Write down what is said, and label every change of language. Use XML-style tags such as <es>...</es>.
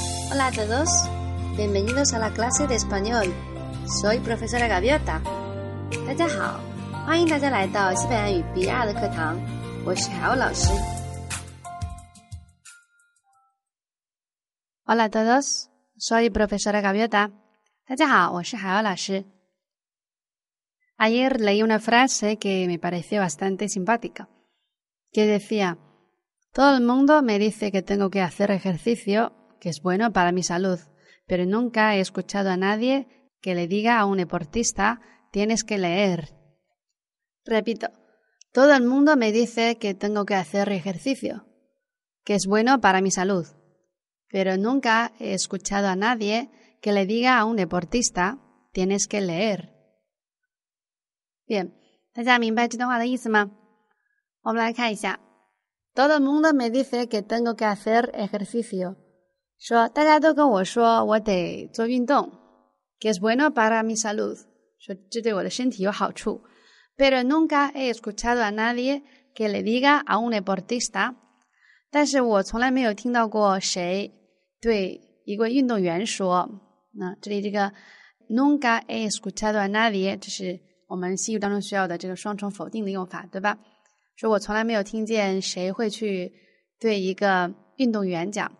<es>Hola a todos, bienvenidos a la clase de español. Soy profesora Gaviota.</es> <zh>大家好，欢迎大家来到西班牙语 B2 的课堂。我是海鸥老师。</zh> <es>Hola a todos, soy profesora Gaviota.</es> <zh>大家好，我是海鸥老师。</zh> <es>Ayer leí una frase que me pareció bastante simpática, que decía, todo el mundo me dice que tengo que hacer ejercicio, que es bueno para mi salud, pero nunca he escuchado a nadie que le diga a un deportista, tienes que leer. Repito, todo el mundo me dice que tengo que hacer ejercicio, que es bueno para mi salud, pero nunca he escuchado a nadie que le diga a un deportista, tienes que leer.</es> <zh>Bien, 大家明白这段话的意思吗？我们来看一下。</zh> <es>Todo el mundo me dice que tengo que hacer ejercicio.</es> <zh>说大家都跟我说我得做运动。</zh> <es>Que es bueno para mi salud.</es> <zh>说这对我的身体有好处。</zh> <es>Pero nunca he escuchado a nadie que le diga a un deportista.</es> <zh>但是我从来没有听到过谁对一位运动员说。那这里这个</zh> <es>nunca he escuchado a nadie,</es> <zh>这是我们西语当中需要的这个双重否定的用法，对吧？说我从来没有听见谁会去对一个运动员讲。</zh>